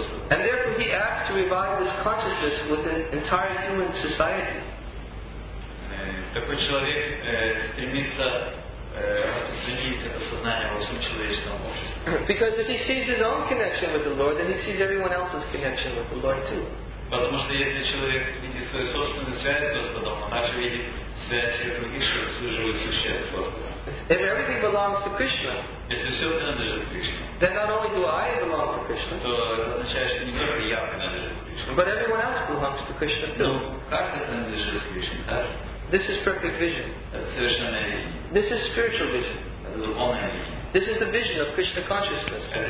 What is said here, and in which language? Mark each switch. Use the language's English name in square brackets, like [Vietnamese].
[English] And therefore, he acts to revive this consciousness within entire human society. [Russian] Такой человек стремится распространить это сознание во всем человеческом обществе. [English] Because if he sees his own connection with the Lord, then he sees everyone else's connection with the Lord too. [Russian] Потому что если человек видит свою собственную связь с Господом, он также видит связь всех других живых существ с Господом. [English] If everything belongs to Krishna, [Russian] если все принадлежит Кришне, [English] then not only do I belong to Krishna, [Russian] то означает, что не только я принадлежит Кришне, [English] but everyone else belongs to Krishna too. [Russian] Но каждый принадлежит Кришне, так? [English] This is perfect vision. This is spiritual vision. This is the vision of Krishna consciousness.